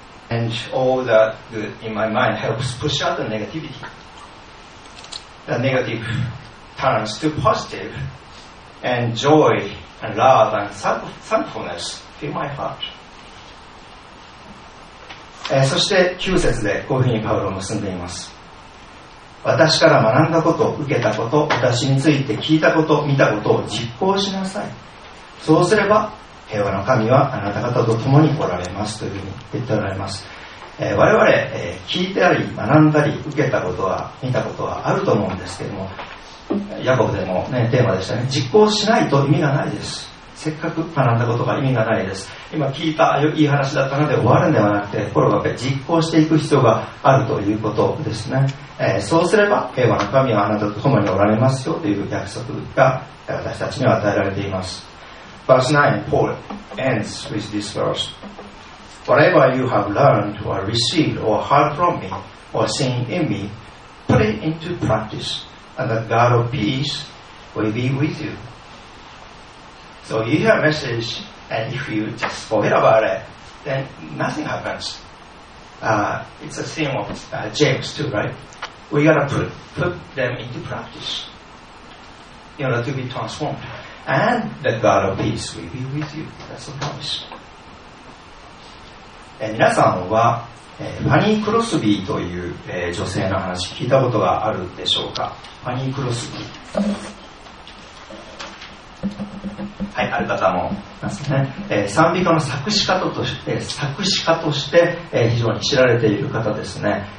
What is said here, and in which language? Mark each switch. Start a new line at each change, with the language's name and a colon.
English: And all the good in my mind helps push out the negativity. The negative turns to positive, and joy and love and thankfulness fill my heart.
Japanese: そして9節でこういうふうにパウロを結んでいます。私から学んだこと、受けたこと、私について聞いたこと、見たことを実行しなさい。そうすれば、平和の神はあなた方と共におられますというふうに言っておられます。我々、聞いてあり学んだり受けたことは見たことはあると思うんですけども、ヤコブでも、ね、テーマでしたね。実行しないと意味がないです。せっかく学んだことが意味がないです。今聞いたいい話だったので終わるんではなくて、心が実行していく必要があるということですね。そうすれば平和の神はあなたと共におられますよという約束が私たちに与えられています。
English: Verse 9, Paul ends with this verse. Whatever you have learned or received or heard from me or seen in me, put it into practice, and the God of peace will be with you. So you hear a message, and if you just forget about it, then nothing happens. It's a theme of James too, right? We gotta put them into practice in order to be transformed. And the God of peace will be with you. That's a promise.
Japanese: 皆さんはファニー・クロスビーという女性の話聞いたことがあるでしょうか。ファニー・クロスビー、はい、ある方もいますね。賛美歌の作詞家として非常に知られている方ですね。